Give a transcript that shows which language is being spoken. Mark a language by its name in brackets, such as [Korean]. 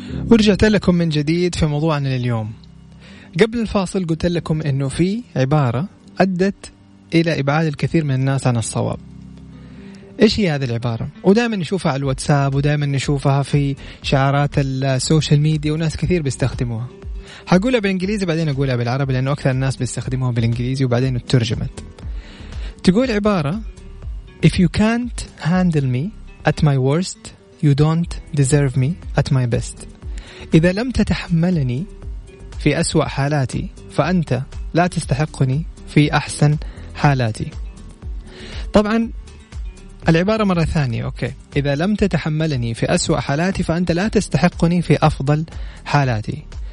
[Arabic] ورجعت لكم من جديد في موضوعنا لليوم. قبل الفاصل قلت لكم أنه في عبارة أدت إلى إبعاد الكثير من الناس عن الصواب. إيش هي هذه العبارة؟ ودائما نشوفها على الواتساب، ودائما نشوفها في شعارات السوشيال ميديا، وناس كثير بيستخدموها. هقولها بالإنجليزي بعدين أقولها بالعربي، لأنه أكثر الناس بيستخدموها بالإنجليزي وبعدين ترجمت. تقول عبارة: [English] If you can't handle me at my worst, you don't deserve me at my best. [Arabic] إذا لم تتحملني في أسوأ حالاتي، فأنت لا تستحقني في أحسن حالاتي. طبعا العبارة مرة ثانية، أوكي، إذا لم تتحملني في أسوأ حالاتي فأنت لا تستحقني في أفضل حالاتي.